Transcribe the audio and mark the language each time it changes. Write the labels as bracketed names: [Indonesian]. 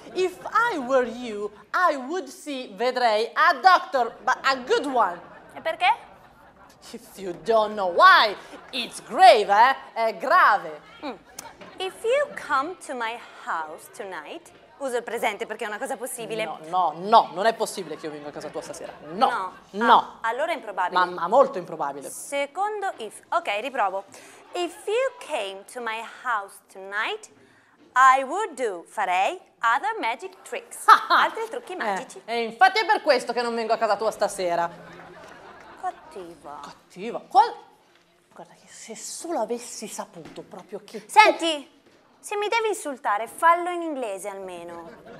[English] If I were you, I would see, vedrei, a doctor, but a good one. [Italian] E perché? [English] If you don't know why, it's grave, eh? [Italian] È grave. [English] If you come to my house tonight... [Italian] Uso il presente perché è una cosa possibile. No, non è possibile che io venga a casa tua stasera. No. Allora è improbabile. Ma molto improbabile. Secondo if... Ok, riprovo. [English] If you came to my house tonight, I would do, farei, other magic tricks. [Italian] Altri trucchi magici. E infatti è per questo che non vengo a casa tua stasera. Cattiva. Guarda che se solo avessi saputo proprio che... Senti! Se mi devi insultare, fallo in inglese almeno.